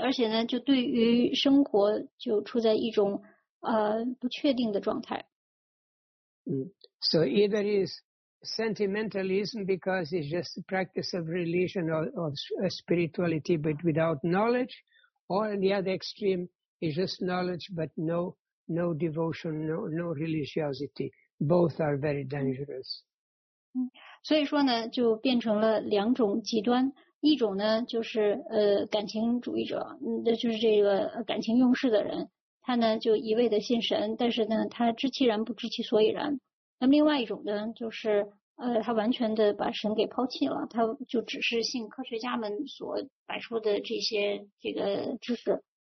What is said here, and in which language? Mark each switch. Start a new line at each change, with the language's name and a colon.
Chinese: 而且呢，就对于生活就处在一种不确定的状态。
English: So either is sentimentalism because it's just the practice of religion or spirituality but without knowledge, or the other extreme is just knowledge but no devotion, no religiosity. Both are very dangerous.
Chinese: 所以说呢，就变成了两种极端，一种呢就是感情主义者，就是这个感情用事的人，他呢就一味的信神，但是呢他知其然不知其所以然。那么另外一种呢，就是他完全的把神给抛弃了，他就只是信科学家们所摆出的这些这个知识。